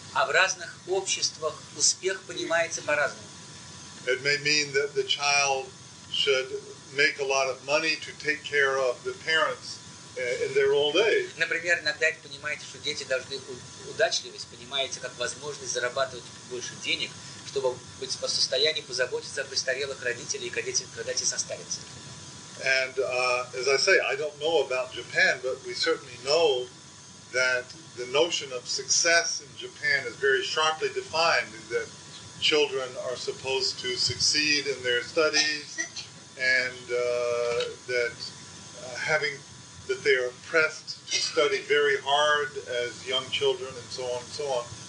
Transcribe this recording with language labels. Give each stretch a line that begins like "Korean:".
Russian: А в разных обществах успех понимается по-разному.
English: It may mean that the child should make a lot of money to take care of the parents in their old age.
Russian: Например, иногда это понимается, что дети должны удачливость понимается как возможность зарабатывать больше денег, чтобы быть в состоянии позаботиться о престарелых родителях, когда те состарятся.
English: And as I say, I don't know about Japan, but we certainly know that the notion of success in Japan is very sharply defined, that children are supposed to succeed in their studies, and that they are pressed to study very hard as young children, and so on and so on.